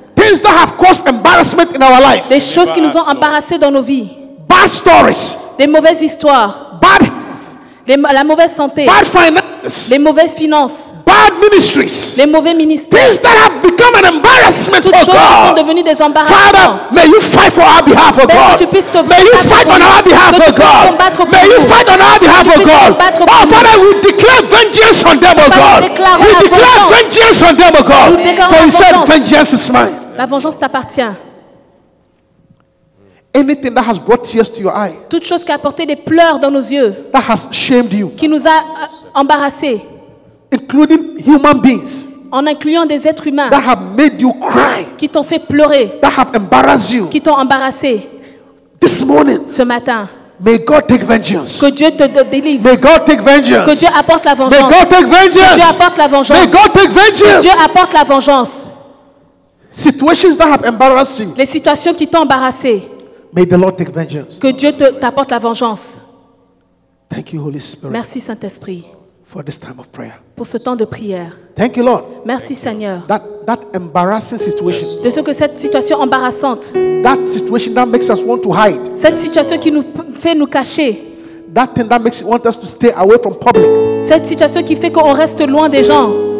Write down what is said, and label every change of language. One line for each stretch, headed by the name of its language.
English: things that have caused embarrassment in our life,
French: les choses qui nous ont embarrassés dans nos vies,
English: bad stories,
French: des mauvaises histoires,
English: bad,
French: la mauvaise santé,
English: bad finances,
French: les mauvaises finances,
English: bad ministries,
French: les mauvais ministères,
English: things that have become an embarrassment
French: toutes
English: for
French: choses
English: God.
French: Sont devenues des embarrassements.
English: Father, may you fight for our behalf, oh God. May you fight on our behalf, oh God. May you fight on our behalf, oh God. Oh Father, we declare vengeance on them, oh God. We declare vengeance on them, oh God. For you said, vengeance is mine.
French: La vengeance t'appartient.
English: Anything that has brought tears to your eye,
French: toute chose qui a apporté des pleurs dans nos yeux,
English: that has shamed you,
French: qui nous a embarrassés,
English: including human beings,
French: en incluant des êtres humains,
English: that have made you cry,
French: qui t'ont fait pleurer,
English: that have embarrassed you,
French: qui t'ont embarrassé,
English: this morning,
French: ce matin,
English: May God take vengeance.
French: Que Dieu te délivre.
English: May God take vengeance.
French: Que Dieu apporte la vengeance.
English: May God take vengeance.
French: Que Dieu apporte la vengeance.
English: May God take vengeance.
French: Que Dieu apporte la vengeance.
English: Situations that have embarrassed you.
French: Les situations qui t'ont embarrassé.
English: May the Lord take vengeance.
French: Que Dieu t'apporte la vengeance.
English: Thank you, Holy Spirit.
French: Merci, Saint-Esprit.
English: For this time of prayer.
French: Pour ce temps de prière.
English: Thank you, Lord.
French: Merci, Seigneur.
English: That embarrassing situation.
French: De ce que cette situation embarrassante.
English: That situation that makes us want to hide.
French: Cette situation qui nous fait nous cacher.
English: That thing that makes you want us to stay away from public.
French: Cette situation qui fait qu'on reste loin des gens.